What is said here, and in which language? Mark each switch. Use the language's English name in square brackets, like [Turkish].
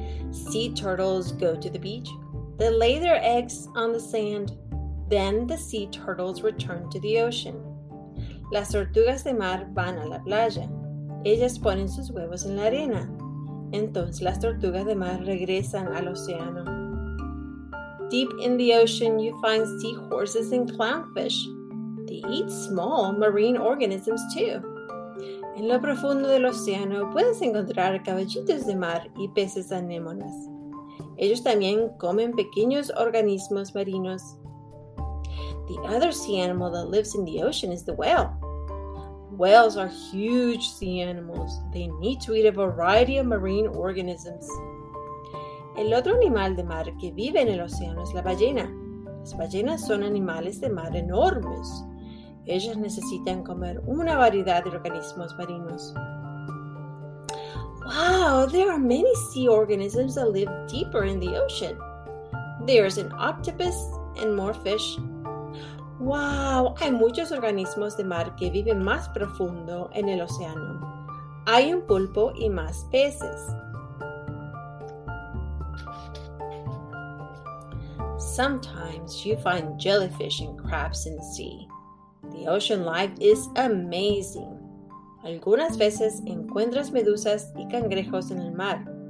[English] Sea turtles go to the beach. They lay their eggs on the sand. Then the sea turtles return to the ocean. [Spanish] Las tortugas de mar van a la playa. Ellas ponen sus huevos en la arena. Entonces las tortugas de mar regresan al océano. [English] Deep in the ocean, you find seahorses and clownfish. They eat small marine organisms too. [Spanish] En lo profundo del océano, puedes encontrar caballitos de mar y peces anémonas. Ellos también comen pequeños organismos marinos. [English] The other sea animal that lives in the ocean is the whale. Whales are huge sea animals. They need to eat a variety of marine organisms. [Spanish] El otro animal de mar que vive en el océano es la ballena. Las ballenas son animales de mar enormes. Ellas necesitan comer una variedad de organismos marinos. [English] Wow, there are many sea organisms that live deeper in the ocean. There's an octopus and more fish. [Spanish] Wow, hay muchos organismos de mar que viven más profundo en el océano. Hay un pulpo y más peces. [English] Sometimes you find jellyfish and crabs in the sea. The ocean life is amazing. [Spanish] Algunas veces encuentras medusas y cangrejos en el mar.